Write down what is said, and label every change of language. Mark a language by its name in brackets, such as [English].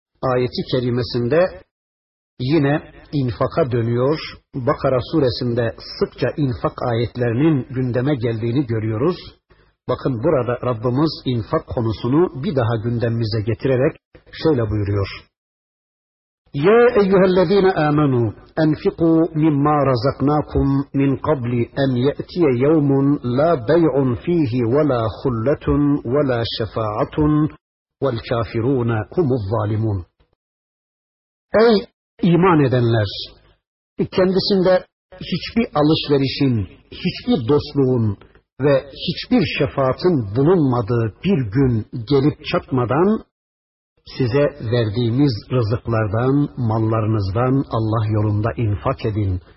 [Turkish] ayeti kerimesinde yine infaka dönüyor. Bakara suresinde sıkça infak ayetlerinin gündeme geldiğini görüyoruz. Bakın burada Rabbimiz infak konusunu bir daha gündemimize getirerek şöyle buyuruyor. [Arabic] يَا اَيُّهَا الَّذ۪ينَ آمَنُوا اَنْفِقُوا مِمَّا رَزَقْنَاكُمْ مِنْ قَبْلِ اَنْ يَأْتِيَ يَوْمٌ لَا بَيْعٌ ف۪يهِ وَلَا خُلَّةٌ وَلَا شَفَاعَةٌ وَالْكَافِرُونَ هُمُ الظَّالِمُونَ [Turkish] Ey iman edenler! Kendisinde hiçbir alışverişin, hiçbir dostluğun ve hiçbir şefaatin bulunmadığı bir gün gelip çatmadan size verdiğimiz rızıklardan, mallarınızdan Allah yolunda infak edin.